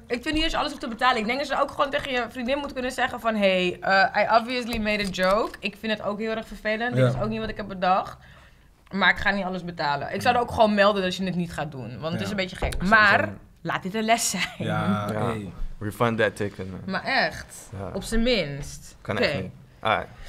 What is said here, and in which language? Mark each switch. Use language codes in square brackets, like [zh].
[nl] Ik vind niet dat je alles hoeft te betalen. Ik denk dat je ook gewoon tegen je vriendin moet kunnen zeggen van... [en] Hey, I obviously made a joke. [nl] Ik vind het ook heel erg vervelend. Ja. Dit is ook niet wat ik heb bedacht. Maar ik ga niet alles betalen. Ik zou er ook gewoon melden dat je het niet gaat doen. Want het is een beetje gek. Maar laat dit een les zijn. Ja, oké. Okay. [en] Refund that ticket, man. [nl] Maar echt? Ja. Op zijn minst. Kan echt niet. Alright.